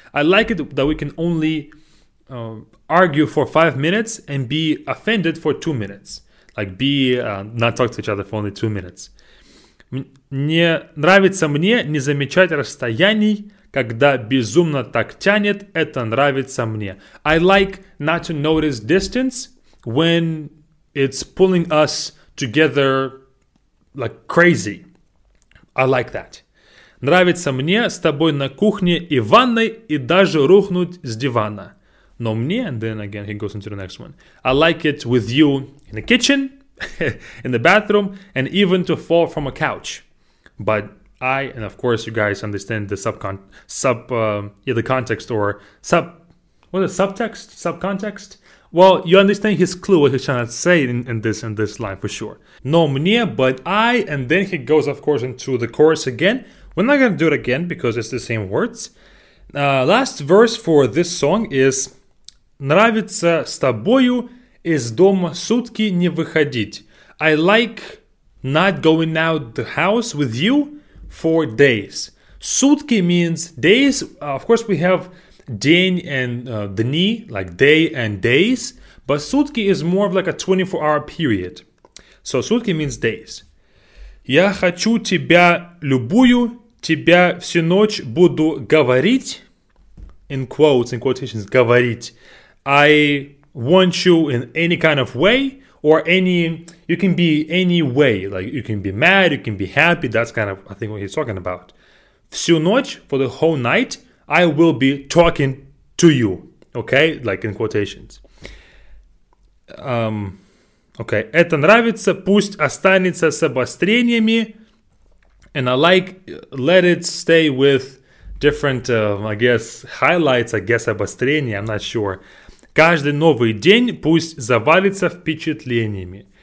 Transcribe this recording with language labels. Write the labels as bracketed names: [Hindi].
[English] I like it that we can only argue for 5 minutes and be offended for 2 minutes. Like be not talk to each other for only 2 minutes. [Russian] Мне нравится мне не замечать расстояний, когда безумно так тянет, это нравится мне. [English] I like not to notice distance when it's pulling us together like crazy. I like that. [Russian] Нравится мне с тобой на кухне и ванной и даже рухнуть с дивана. Но мне, [English] and then again he goes into the next one. I like it with you in the kitchen, in the bathroom, and even to fall from a couch. But I, and of course you guys understand the subtext? Well, you understand his clue, what he's trying to say in this line for sure. No мне, but I, and then he goes, of course, into the chorus again. We're not going to do it again because it's the same words. Last verse for this song is [Russian] нравится с тобою из дома сутки не выходить. [English] I like not going out the house with you for days. Сутки means days. Of course, we have день and дни, like day and days. But сутки is more of like a 24-hour period. So сутки means days. [Russian] Я хочу тебя любую, тебя всю ночь буду говорить. [English] In quotes, in quotations, говорить. I want you in any kind of way or any, you can be any way. Like you can be mad, you can be happy. That's kind of, I think, what he's talking about. [Russian] Всю ночь, [English] for the whole night, I will be talking to you, okay? Like in quotations. [Russian] Okay, это нравится, пусть останется с обострениями. [English] And I like, let it stay with different, highlights, обострения, I'm not sure. [Russian] Каждый новый день пусть завалится впечатлениями.